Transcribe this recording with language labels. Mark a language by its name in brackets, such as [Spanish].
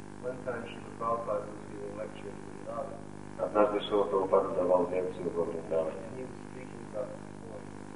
[English] One time Шрила Прабхупада was giving lecture in Вриндаване. [Russian] Однажды Шрила Прабхупада давал лекцию во Вриндаване. [English] And he was speaking about this point.